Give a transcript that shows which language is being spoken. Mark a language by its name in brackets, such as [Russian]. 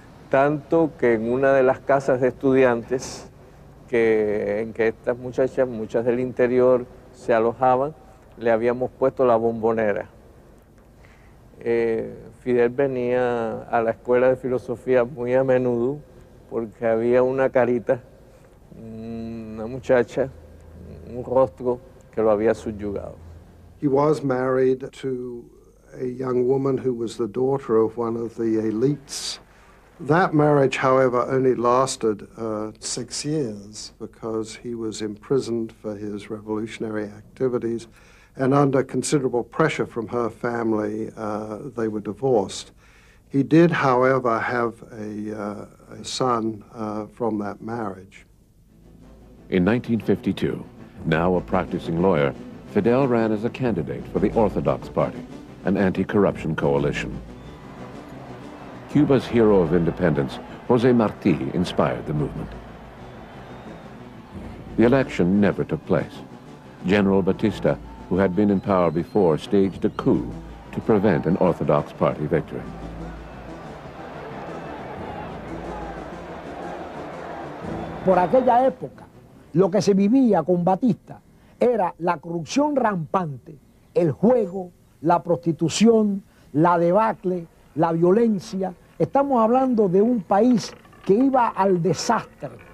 [Spanish] Tanto que en una de las casas de estudiantes, en que estas muchachas, muchas del interior, se alojaban, le habíamos puesto la bombonera. Fidel venía a la escuela de filosofía muy a menudo porque había una carita, una muchacha, un rostro que lo había subyugado. [English] He was married to a young woman who was the daughter of one of the elites. That marriage, however, only lasted 6 years because he was imprisoned for his revolutionary activities, and under considerable pressure from her family, they were divorced. He did, however, have a son from that marriage. In 1952, now a practicing lawyer, Fidel ran as a candidate for the Orthodox Party, an anti-corruption coalition. Cuba's hero of independence, José Martí, inspired the movement. The election never took place. General Batista, who had been in power before, staged a coup to prevent an Orthodox Party victory. [Spanish] Por aquella época, lo que se vivía con Batista era la corrupción rampante, el juego, la prostitución, la debacle, la violencia. Estamos hablando de un país que iba al desastre.